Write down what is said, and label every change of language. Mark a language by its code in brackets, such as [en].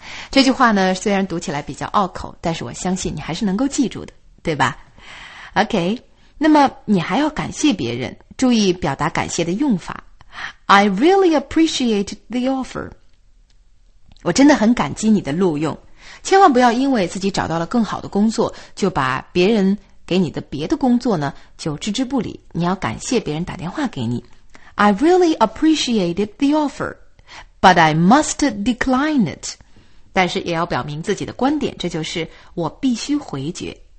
[zh] 这句话呢，虽然读起来比较拗口，但是我相信你还是能够记住的，对吧 ？OK， 那么你还要感谢别人，注意表达感谢的用法。 [en] I really appreciate the offer. [zh] 我真的很感激你的录用。千万不要因为自己找到了更好的工作，就把别人给你的别的工作呢就置之不理，你要感谢别人打电话给你。 [en] I really appreciated the offer, but I must decline it. [zh] 但是也要表明自己的观点，这就是我必须回绝。